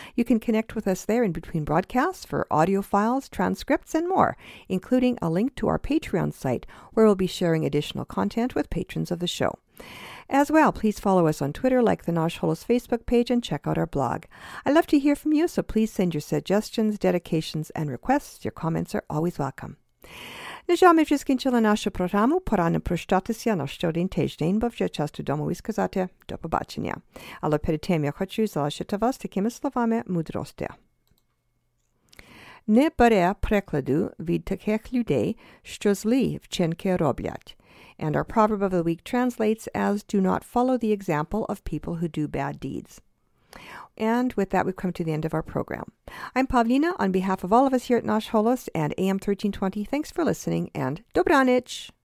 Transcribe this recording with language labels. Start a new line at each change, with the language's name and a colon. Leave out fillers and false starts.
English: You can connect with us there in between broadcasts for audio files, transcripts, and more, including a link to our Patreon site, where we'll be sharing additional content with patrons of the show. As well, please follow us on Twitter, like the Nash Holos Facebook page, and check out our blog. I'd love to hear from you, so please send your suggestions, dedications, and requests. Your comments are always welcome.
Ukrainian: На жаль, вже скінчила нашу програму. Пора не прощатися на щодень тиждень, бо вже час додому і сказати до побачення. Але перед тим я хочу залишити вас такими словами мудрості. Не бере прикладу від таких людей, що злі вчинки роблять.
English: And our proverb of the week translates as, do not follow the example of people who do bad deeds. And with that, we've come to the end of our program. I'm Pavlina. On behalf of all of us here at Nash Holos and AM 1320, thanks for listening and dobranich.